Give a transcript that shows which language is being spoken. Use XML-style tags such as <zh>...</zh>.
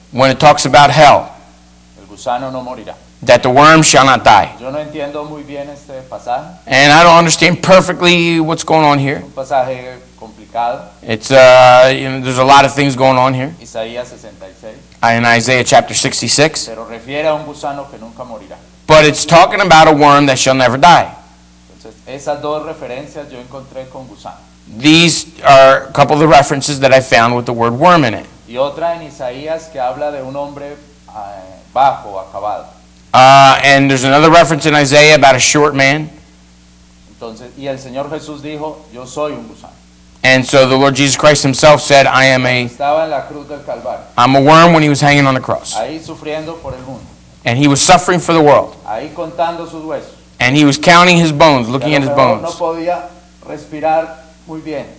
<en>When it talks about hell.</en> <es>El gusano no morirá.</es> <en>That the worm shall not die.</en> <es>Yo no entiendo muy bien este pasaje.</es> <en>And I don't understand perfectly what's going on here.</en> <es>Un pasaje complicado.</es> <en>It's there's a lot of things going on here.</en> <es>Isaías 66.</es> <en>In Isaiah chapter 66.</en> <es>Pero refiere a un gusano que nunca morirá.</es> <en>But it's talking about a worm that shall never die.</en> <es>Entonces, esas dos referencias yo encontré con gusano.</es> <en>These are a couple of the references that I found with the word worm in it.</en> <es>Y otra en Isaías que habla de un hombre bajo, acabado.</es> <en>And there's another reference in Isaiah about a short man.</en> <es>Entonces, y el Señor Jesús dijo, yo soy un gusano.</es> <en>And so the Lord Jesus Christ himself said, I am a...</en> <es>Estaba en la cruz del Calvario.</es> <en>I'm a worm when he was hanging on the cross.</en> <es>Ahí sufriendo por el mundo.</es> <en>And he was suffering for the world.</en> <es>Ahí contando sus huesos.</es> <en>And he was counting his bones, looking at his bones.</en> <es>No podía respirar muy bien.</es>